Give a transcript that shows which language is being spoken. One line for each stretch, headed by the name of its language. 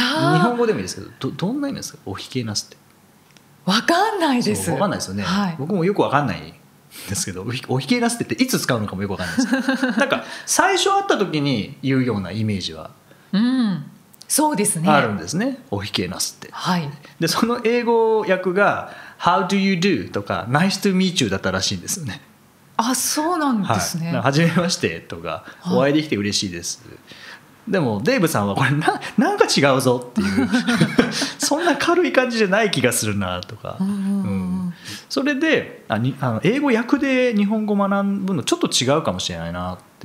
Japanese: 日本語でもいいですけど、 どんな意味ですか。おひけなすってわかんないです。わかんないですよね、はい、僕もよくわかんないんですけど、おひけなすってっていつ使うのかもよくわかんないですなんか最初会った時に言うようなイメージは、うん、そうですね、あるんですね。おひけなすって、はい、でその英語訳が
English: How do you do?
Japanese: とか
English: Nice to meet you
Japanese: だったらしいんですよね。あ、そうなんですね、はい、初めましてとか、はい、お会いできて嬉しいです。でもデイブさんはこれ なんか違うぞっていうそんな軽い感じじゃない気がするなとか、うん、それであの英語訳で日本語学ぶのちょっと違うかもしれないなって